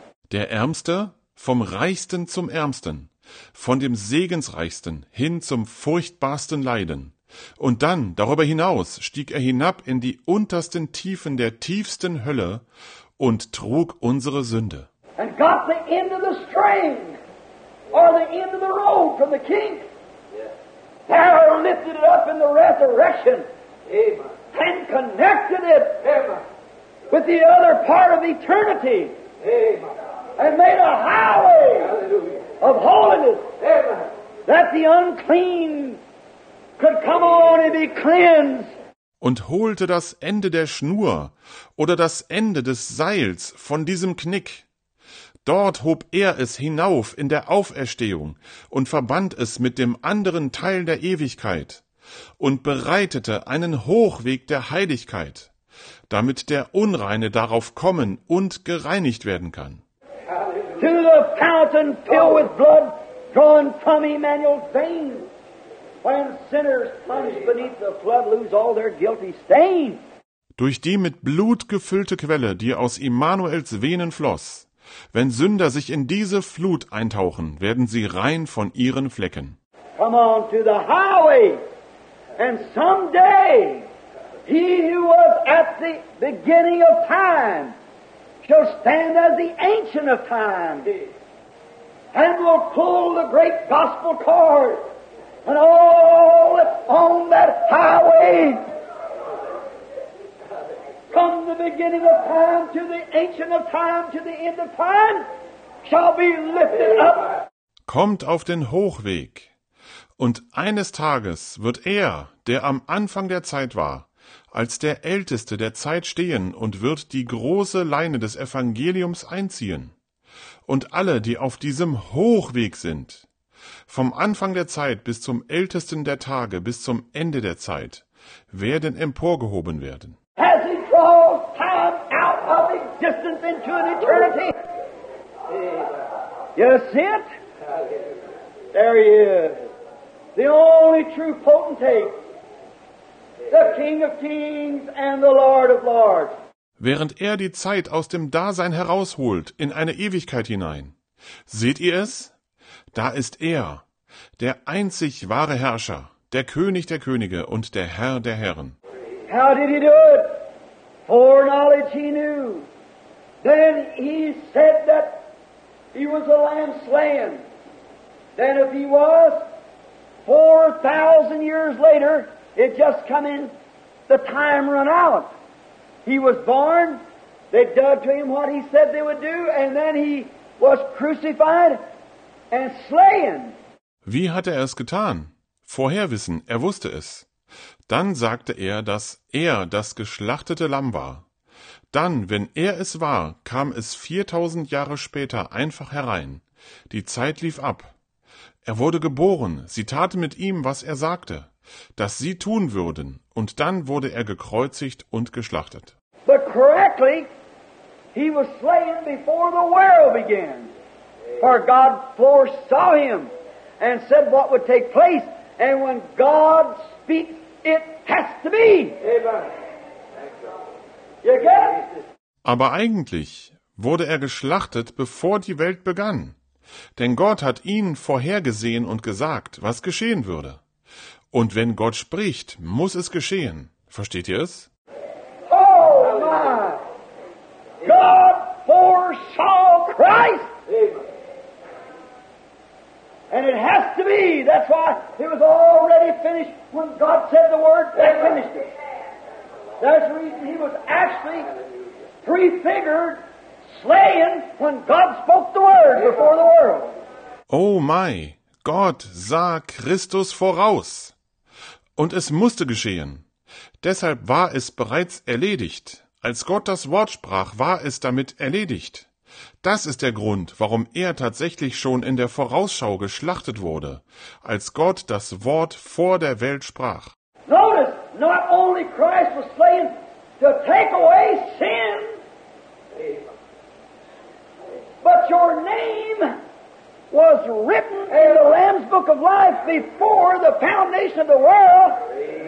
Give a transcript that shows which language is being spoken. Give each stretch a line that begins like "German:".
German: Der Ärmste vom Reichsten zum Ärmsten, von dem Segensreichsten hin zum furchtbarsten Leiden. Und dann, darüber hinaus, stieg er hinab in die untersten Tiefen der tiefsten Hölle und trug unsere Sünde.
English: And got the end of the string, or the end of the road from the king. Power lifted it up in the resurrection. Amen. And connected it. Amen. With the other part of eternity. Amen. And made a highway. Hallelujah. Of holiness. Amen. That the unclean could come on and be cleansed.
German: Und holte das Ende der Schnur oder das Ende des Seils von diesem Knick. Dort hob er es hinauf in der Auferstehung und verband es mit dem anderen Teil der Ewigkeit und bereitete einen Hochweg der Heiligkeit, damit der Unreine darauf kommen und gereinigt werden kann.
English: To the fountain filled with blood drawn from Emmanuel's veins, when sinners plunged beneath the flood lose all their guilty stains.
German: Durch die mit Blut gefüllte Quelle, die aus Emmanuels Venen floss, wenn Sünder sich in diese Flut eintauchen, werden sie rein von ihren Flecken.
English: Come on to the highway, and someday he who was at the beginning of time shall stand as the ancient of time and will pull the great gospel cord, and all on that highway from the beginning of time to the ancient of time to the end of time shall be lifted up.
German: Kommt auf den Hochweg, und eines Tages wird er, der am Anfang der Zeit war, als der Älteste der Zeit stehen und wird die große Leine des Evangeliums einziehen. Und alle, die auf diesem Hochweg sind, vom Anfang der Zeit bis zum Ältesten der Tage bis zum Ende der Zeit, werden emporgehoben werden.
English: As he draws time out of existence into an eternity. You see it? There he is. The only true potentate. The King of Kings and the Lord of Lords.
German: Während er die Zeit aus dem Dasein herausholt, in eine Ewigkeit hinein. Seht ihr es? Da ist er, der einzig wahre Herrscher, der König der Könige und der Herr der Herren.
English: How did he do it? Foreknowledge he knew. Then he said that he was a lamb slain. Then if he was, 4,000 years later, it just come in, the time run out. He was born, they dug to him what he said they would do, and then he was crucified and slain.
German: Wie hatte er es getan? Vorherwissen, er wusste es. Dann sagte er, dass er das geschlachtete Lamm war. Dann, wenn er es war, kam es 4000 Jahre später einfach herein. Die Zeit lief ab. Er wurde geboren, sie taten mit ihm, was er sagte, dass sie tun würden, und dann wurde er gekreuzigt und geschlachtet.
English: But correctly, he was slain before the world began. For God foresaw him and said what would take place. And when God speaks, it has to be. Amen. You get it?
German: Aber eigentlich wurde er geschlachtet, bevor die Welt begann. Denn Gott hat ihn vorhergesehen und gesagt, was geschehen würde. Und wenn Gott spricht, muss es geschehen. Versteht ihr es?
English: Oh my! God foresaw Christ! And it has to be. That's why it was already finished when God said the word and finished it. That's the reason he was actually prefigured slain when God spoke the word before the world.
German: Oh my, Gott sah Christus voraus. Und es musste geschehen. Deshalb war es bereits erledigt. Als Gott das Wort sprach, war es damit erledigt. Das ist der Grund, warum er tatsächlich schon in der Vorausschau geschlachtet wurde, als Gott das Wort vor der Welt sprach.
English: Notice, not only Christ was slain to take away sin, but your name was written in the Lamb's Book of Life before the foundation of the world.